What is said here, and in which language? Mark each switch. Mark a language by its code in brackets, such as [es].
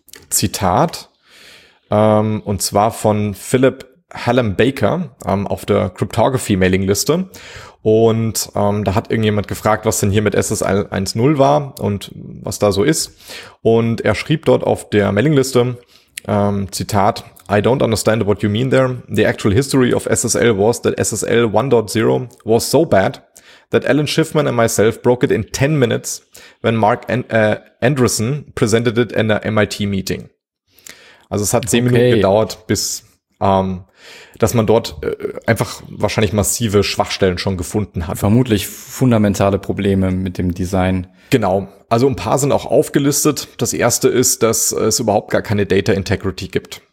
[de] Zitat, und zwar von Philip Hallam Baker auf der Cryptography-Mailingliste, und da hat irgendjemand gefragt, was denn hier mit SSL 1.0 war und was da so ist, und er schrieb dort auf der Mailingliste, Zitat, [en] I don't understand what you mean there. The actual history of SSL was that SSL 1.0 was so bad that Alan Schiffman and myself broke it in 10 minutes when Mark Anderson presented it in a MIT meeting. [de] Also es hat 10 Minuten gedauert, bis dass man dort einfach wahrscheinlich massive Schwachstellen schon gefunden hat. Vermutlich fundamentale Probleme mit dem Design. Genau. Also ein paar sind auch aufgelistet. Das erste ist, dass es überhaupt gar keine Data Integrity gibt.